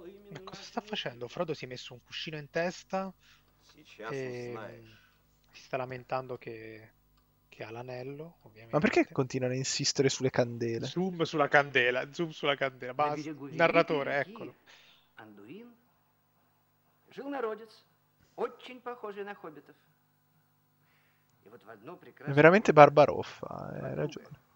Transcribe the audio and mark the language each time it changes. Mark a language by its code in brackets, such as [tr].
[it] Ma cosa sta facendo? Frodo si è messo un cuscino in testa e si sta lamentando che ha l'anello, ovviamente. Ma perché continuano a insistere sulle candele? Zoom sulla candela, basta, narratore, eccolo. [ru] Anduin жил народец очень похожий на хоббитов. [it] È veramente Barbaroffa, hai ragione.